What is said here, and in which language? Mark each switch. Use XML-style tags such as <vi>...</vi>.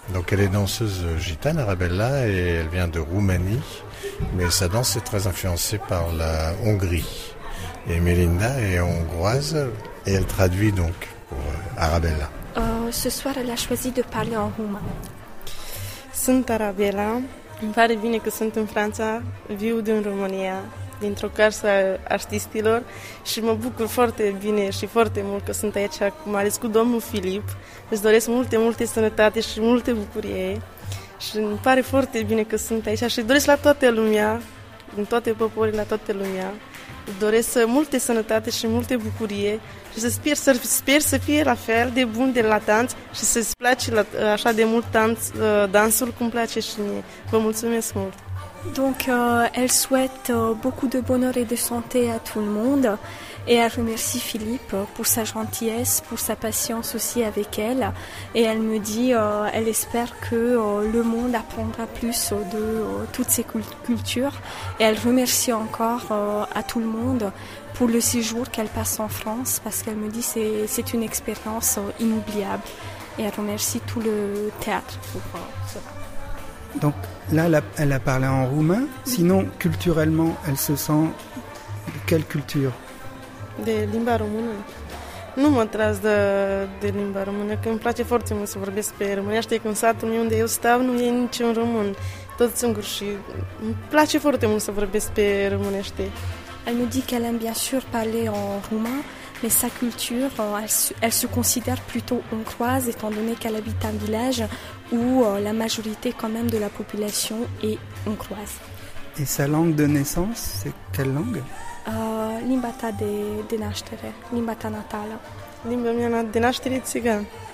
<fr>Elle est danseuse gitane, Arabella, et elle vient de Roumanie. Mais sa danse est très influencée par la Hongrie. Et Melinda est hongroise et elle traduit donc pour Arabella. Ce soir, elle a choisi de parler en roumain.</fr> <ro>Sunt Arabella. Îmi pare bine că sunt în Franța. Viu din România, dintr-o casă a artiștilor. Și mă bucur foarte bine și foarte mult că sunt aici acum, ales cu domnul Filip. Îți doresc multe, multe sănătate și multe bucurie. Și îmi pare foarte bine că sunt aici și doresc la toată lumea, din toate poporile, la toată lumea, doresc multe sănătate și multe bucurie și să sper să fie la fel de bun de la dans și să-ți place la, așa de mult dansul cum place și mie. Vă mulțumesc mult!</ro> <fr>Donc, elle souhaite beaucoup de bonheur et de santé à tout le monde et elle remercie Philippe pour sa gentillesse, pour sa patience aussi avec elle. Et elle me dit elle espère que le monde apprendra plus de toutes ces cultures. Et elle remercie encore à tout le monde pour le séjour qu'elle passe en France parce qu'elle me dit que c'est une expérience inoubliable. Et elle remercie tout le théâtre pour cela. Donc là, elle a parlé en roumain. Sinon, culturellement, elle se sent de quelle culture?</fr> <ro>De limba română. Nu mă atras de limba română, că îmi place foarte mult să vorbesc pe românește, că în satul meu unde eu stau nu e niciun român, toți singuri și îmi place foarte mult să vorbesc pe românește.</ro> <fr>Elle nous dit qu'elle aime bien sûr parler en roumain, mais sa culture, elle se considère plutôt hongroise, étant donné qu'elle habite un village où la majorité quand même de la population est hongroise. Et sa langue de naissance, c'est quelle langue?</fr> <ro>Limbata de naștere, limbata natală. Limba mea de naștere țigan.</ro>